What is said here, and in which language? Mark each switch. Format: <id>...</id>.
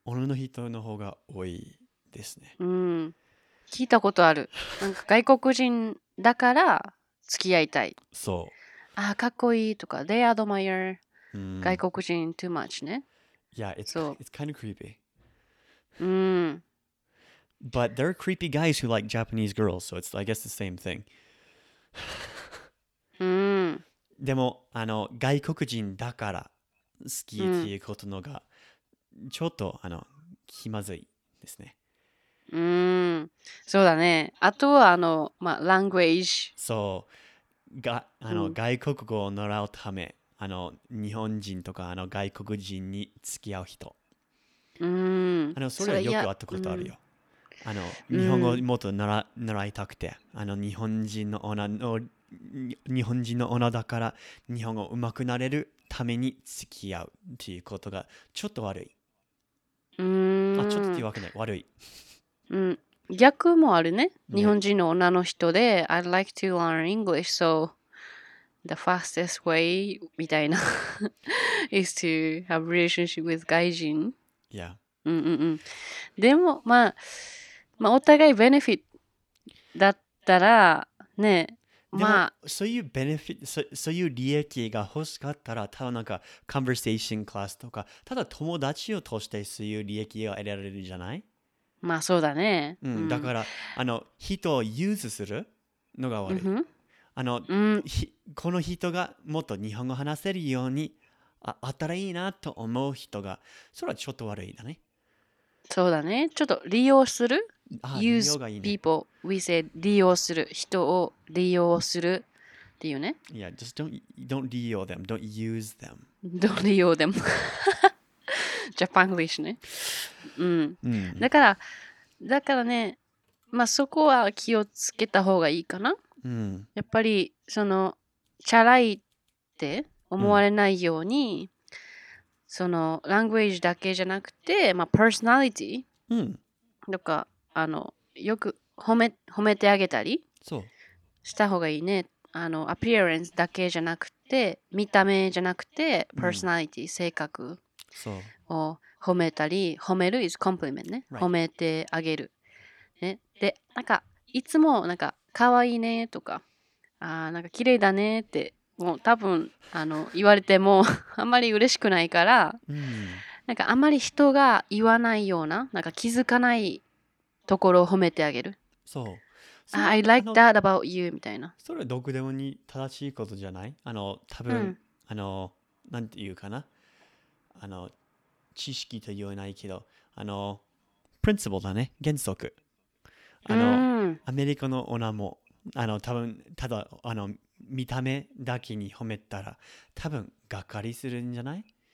<ja>女の人の方が多いですね。聞いたことある。なんか外国人だから付き合いたい。そう。あ、かっこいいとか、</ja> <en>they admire</en> <ja>外国人 too much ね。</ja> <en>Yeah, it's kind of creepy. But there are creepy guys who like Japanese girls, so it's, I guess, the same thing.</en> <ja>でも、あの、外国人だから好きっていうことのが、ちょっと、あの、気まずいですね。そうだね。あとは、あの、まあ、language。そう。あの、外国語を習うため。あの日本人とかあの外国人に付き合う人、あのそれはよくあったことあるよ、あの日本語もっと習いたくて、あの日本人のオーナーの日本人のオーナーだから日本語上手くなれるために付き合うっていうことがちょっと悪い、あ、ちょっとというわけない、悪い、逆もあるね、日本人の女の人で、ね、</ja> <en>I'd like to learn English so the fastest way みたいな is to have relationship with 外人。 Yeah.</en> <ja>うんうんうん。でもまあまあお互い benefit だったらね。でもまあ、そういうベネフィット、そういう利益が欲しかったら、ただなんか、コンバーセーションクラスとか、ただ友達を通してそういう利益を得られるじゃない？まあそうだね。うん、だから、うん、あの、人をユーズするのが悪い。うん、あの、うん、この人がもっと日本語話せるようにあったらいいなと思う人が、それはちょっと悪いだね。そうだね。ちょっと利用する。</ja> <en>Use people. We say</en> <ja>利用する人を利用するっていうね。</ja> <en>Yeah, just don't 利用 them. Don't use them. Don't 利用 them. Japanglish ね。</en> <ja>うん。うん、だからね、まあそこは気をつけた方がいいかな。うん、やっぱりそのチャラいって思われないように、うん、その language だけじゃなくて、まあ personality とか。うん、あのよく褒めてあげたりした方がいいね。あのアピアレンスだけじゃなくて見た目じゃなくてパーソナリティ、うん、性格を褒めたり、褒める is compliment ね、</ja> <en>right.</en> <ja>褒めてあげる、ね、でなんかいつもなんか可愛いねとか、あなんか綺麗だねってもう多分あの言われてもあんまり嬉しくないから、うん、なんかあんまり人が言わないようななんか気づかないところを褒めてあげる。そう。</ja> <en>I like that about you みたいな。</en> <ja>それはどこでもに正しいことじゃない？あの多分、うん、あのなんていうかな、あの知識と言えないけど、あの principle だね、原則。あの、うん、アメリカのオナもあの多分ただあの見た目だけに褒めたら多分がっかりするんじゃない？</ja>